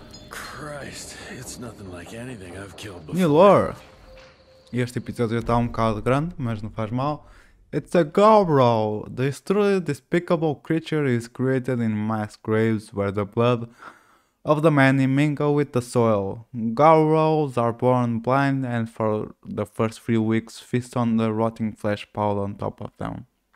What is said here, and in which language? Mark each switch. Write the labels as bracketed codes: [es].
[en] Christ, it's nothing like anything I've killed before. New lore. [pt] Este episódio já está bocado grande, mas não faz mal. [en] It's a Gobro. This truly despicable creature is created in mass graves where the blood of the many mingle with the soil. Gobros are born blind and for the first 3 weeks feast on the rotting flesh piled on top of them.